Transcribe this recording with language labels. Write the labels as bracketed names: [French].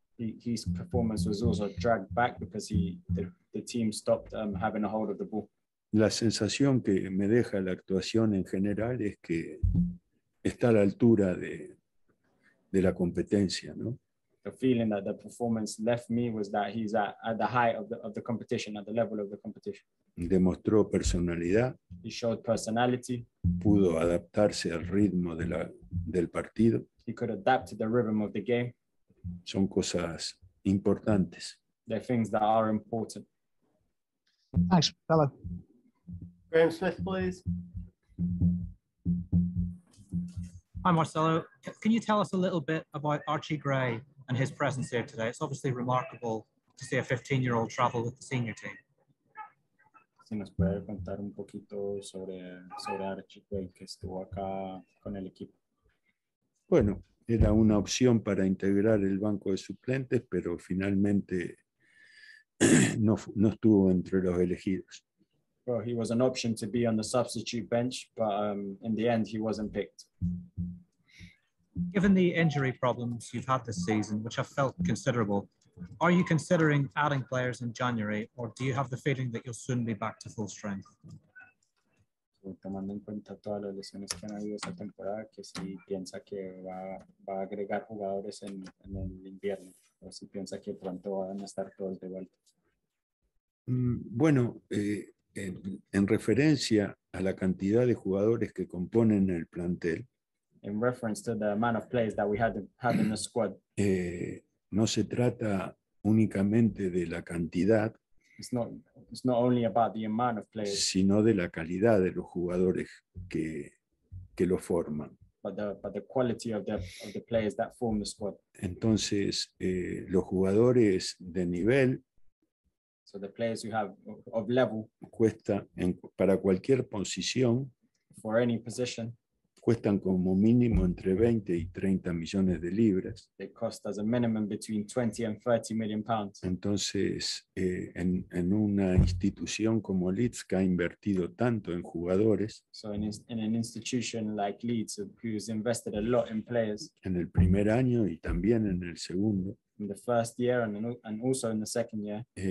[English] His performance was also dragged back because the team stopped having a hold of the ball. [Spanish] La sensación que me deja la actuación en general es que está a la altura de la competencia, ¿no? [English] The feeling that the performance left me was that he's at the height of the competition, at the level of the competition. [Spanish] Demostró personalidad. [English] He showed personality. [Spanish] Pudo adaptarse al ritmo del partido. [English] He could adapt to the rhythm of the game. [Spanish] Son cosas importantes. [English] They're things that are important. Thanks, fellow. Graham Smith, please. Hi, Marcelo. Can you tell us a little bit about Archie Gray and his presence here today? It's obviously remarkable to see a 15-year-old travel with the senior team. [Spanish] Si nos puede contar un poquito sobre Archie Gray, que estuvo acá con el equipo. Bueno. Era una opción para integrar el banco de suplentes, pero finalmente no estuvo entre los elegidos. [English] Well, he was an option to be on the substitute bench, but in the end he wasn't picked. Given the injury problems you've had this season, which have felt considerable, are you considering adding players in January, or do you have the feeling that you'll soon be back to full strength? [Spanish] Tomando en cuenta todas las lesiones que han habido esta temporada, que si piensa que va a agregar jugadores en el invierno, o si piensa que pronto van a estar todos de vuelta. Bueno, en referencia a la cantidad de jugadores que componen el plantel, [English] in reference to the amount of players that we had in the squad, [Spanish] no se trata únicamente de la cantidad. [English] It's not only about the amount of players, [Spanish] sino de la calidad de los jugadores que lo forman. [English] But the quality of the players that form the squad. [Spanish] Entonces, los jugadores de nivel, [English] so the players you have of level, [Spanish] cuesta para cualquier posición, [English] for any position, [Spanish] cuestan como mínimo entre 20 y 30 millones de libras. [English] They cost as a minimum between 20 and 30 million pounds. [Spanish] Entonces, en una institución como Leeds, que ha invertido tanto en jugadores, [English] so in an institution like Leeds, who's invested a lot in players, [Spanish] en el primer año y también en el segundo, [English] in the first year and also in the second year,